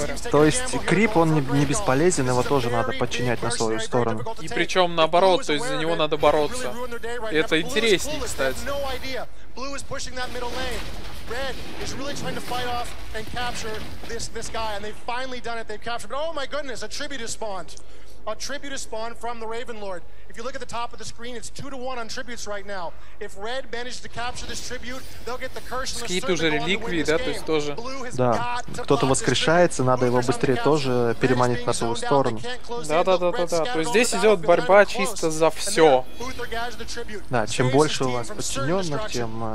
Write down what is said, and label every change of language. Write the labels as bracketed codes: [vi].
[ru] То есть Крип, он не бесполезен, его тоже надо подчинять на свою сторону. И причем наоборот, то есть за него надо бороться. И это интереснее, кстати. [en] Blue is pushing that middle lane. Red is really trying to fight off and capture this guy, and they've finally done it. They've captured. But oh my goodness, a tribute has spawned. A tribute has spawned from the Ravenlord. If you look at the top of the screen, it's 2-1 on tributes right now. If Red manages to capture this tribute, they'll get the curse and [ru] Скит уже реликвии, да, то есть тоже. Да. Кто-то воскрешается, надо его быстрее тоже переманить на свою сторону. Да. То есть здесь идет борьба чисто за все. Да, чем больше у вас подчиненных, тем